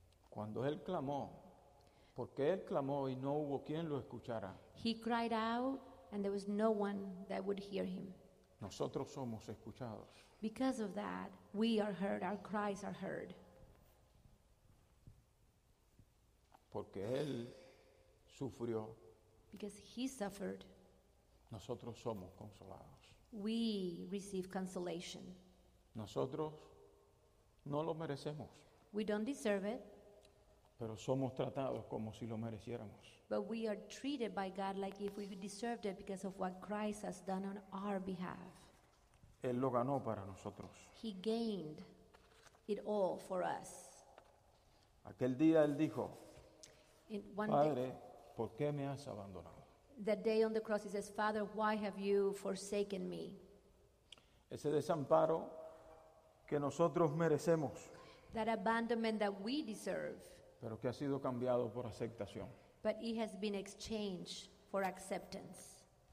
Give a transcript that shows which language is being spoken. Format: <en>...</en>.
<es>Cuando él clamó, porque él clamó y no hubo quien lo escuchara.</es> <en>He cried out and there was no one that would hear him.</en> <es>Nosotros somos escuchados.</es> <en>Because of that, we are heard, our cries are heard.</en> <es>Porque él sufrió.</es> <en>Because he suffered.</en> <es>Nosotros somos consolados.</es> <en>We receive consolation.</en> <es>Nosotros no lo merecemos.</es> <en>We don't deserve it.</en> <es>Pero somos tratados como si lo mereciéramos.</es> <en>But we are treated by God like if we deserved it because of what Christ has done on our behalf.</en> <es>Él lo ganó para nosotros.</es> <en>He gained it all for us.</en> <es>Aquel día él dijo, Padre, ¿por qué me has abandonado?</es> <en>That day on the cross he says, Father, why have you forsaken me?</en> <es>Ese desamparo que nosotros merecemos.</es> <en>That abandonment that we deserve.</en> <es>Pero que ha sido cambiado por aceptación.</es> <en>But it has been exchanged for acceptance.</en>